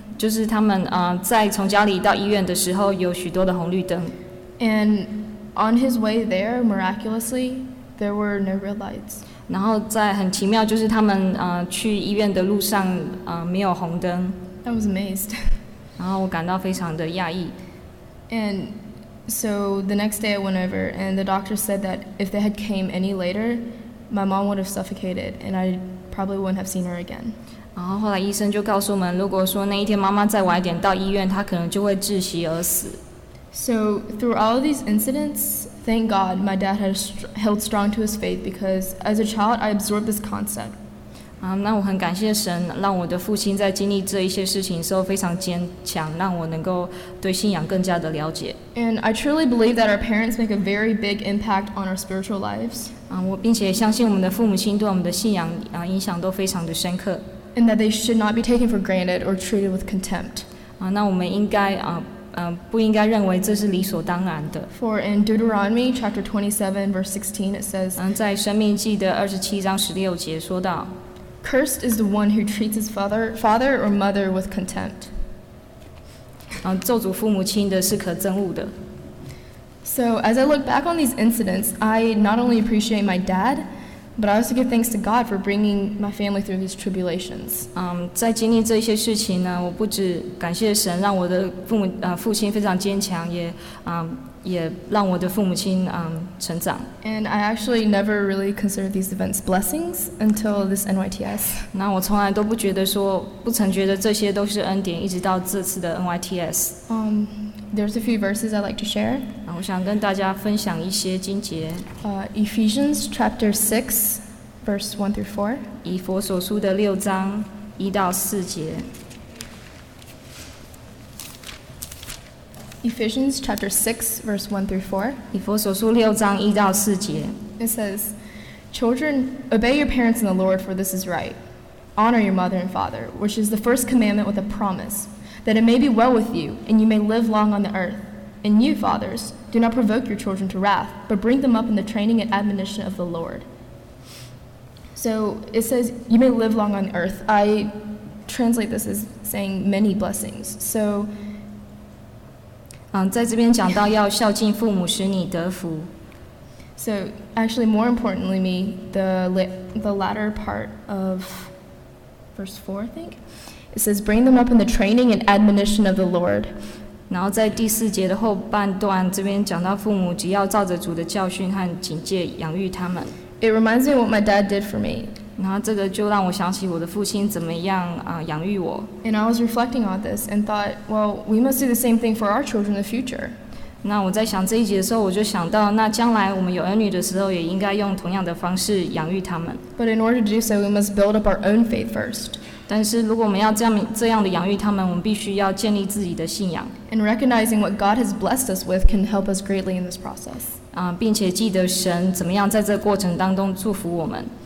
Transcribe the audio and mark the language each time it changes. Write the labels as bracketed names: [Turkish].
[Chinese] 就是他们在从家里到医院的时候有许多的红绿灯。 [English] And on his way there, miraculously, there were no red lights. [Chinese] 然后在很奇妙，就是他们去医院的路上没有红灯。 [English] I was amazed. [Chinese] 然后我感到非常的讶异。 [English] And so the next day I went over, and the doctor said that if they had came any later, my mom would have suffocated, and I probably wouldn't have seen her again. [Chinese] 然后后来医生就告诉我们，如果说那一天妈妈再晚一点到医院，她可能就会窒息而死。 [English] So through all of these incidents. Thank God my dad has held strong to his faith because as a child I absorbed this concept. [Chinese] 那我很感谢神让我的父亲在经历这一些事情时候非常坚强，让我能够对信仰更加的了解。 [English] And I truly believe that our parents make a very big impact on our spiritual lives. [Chinese] 我并且相信我们的父母亲对我们的信仰影响都非常的深刻。 [English] And that they should not be taken for granted or treated with contempt. [Chinese] 那我们应该不应该认为这是理所当然的。 [English] For in Deuteronomy chapter 27 verse 16 it says, [Chinese] 在申命记的27章16节说到， [English] Cursed is the one who treats his father or mother with contempt. [Chinese] 咒诅父母亲的是可憎恶的。 [English] So as I look back on these incidents, I not only appreciate my dad,But I also give thanks to God for bringing my family through these tribulations. [Chinese] 在经历这些事情呢，我不止感谢神让我的父亲非常坚强，也让我的父母亲成长。 [English] And I actually never really considered these events blessings until this NYTS. [Chinese] 那我从来都不曾觉得这些都是恩典，一直到这次的 NYTS. [English] There's a few verses I'd like to share. [Chinese] 我想跟大家分享一些经节。 [English] Ephesians chapter 6, verse 1 through 4. [Chinese] 以弗所书的六章一到四节。 [English] Ephesians chapter 6, verse 1 through 4. [Chinese] 以弗所书六章一到四节。 [English] It says, Children, obey your parents in the Lord, for this is right. Honor your mother and father, which is the first commandment with a promise. That it may be well with you, and you may live long on the earth. And you, fathers, do not provoke your children to wrath, but bring them up in the training and admonition of the Lord. So it says, you may live long on earth. I translate this as saying many blessings. So, [Chinese] 在这边讲到要孝敬父母，使你得福。 [English] So actually, more importantly, me, the latter part of verse 4, I think, it says, bring them up in the training and admonition of the Lord. [Chinese] 然后在第四节的后半段，这边讲到父母只要照着主的教训和警戒养育他们。 [English] It reminds me of what my dad did for me. [Chinese] 然后这个就让我想起我的父亲怎么样养育我。 [English] And I was reflecting on this and thought, well, we must do the same thing for our children in the future. [Chinese] 那我在想这一节的时候，我就想到，那将来我们有儿女的时候，也应该用同样的方式养育他们。 [English] But in order to do so, we must build up our own faith first. [Chinese] 但是如果我们要这样的养育他们，我们必须要建立自己的信仰。 [English] And recognizing what God has blessed us with can help us greatly in this process. [Chinese] 并且记得神怎么样在这个过程当中祝福我们。